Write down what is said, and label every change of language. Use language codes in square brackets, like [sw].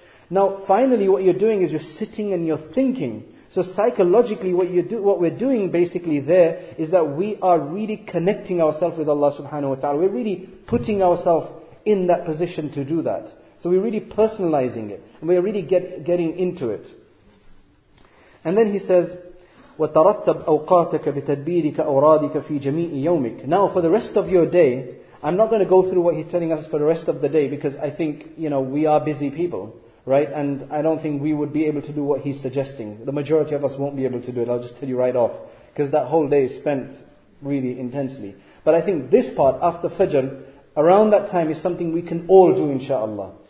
[en] Now finally what you're doing is you're sitting and you're thinking. So psychologically what we're doing basically there is that we are really connecting ourselves with Allah subhanahu wa ta'ala. We're really putting ourselves in that position to do that. So we're really personalizing it. And we're really getting into it. [ar] And then he says, وَتَرَتَّبْ أَوْقَاتَكَ بِتَدْبِيرِكَ أَوْرَادِكَ فِي جَمِيعِ يَوْمِكَ. [en] Now for the rest of your day, I'm not going to go through what he's telling us for the rest of the day, because I think, you know, we are busy people, right? And I don't think we would be able to do what he's suggesting. The majority of us won't be able to do it. I'll just tell you right off. Because that whole day is spent really intensely. But I think this part, after Fajr, around that time is something we can all do, inshaAllah.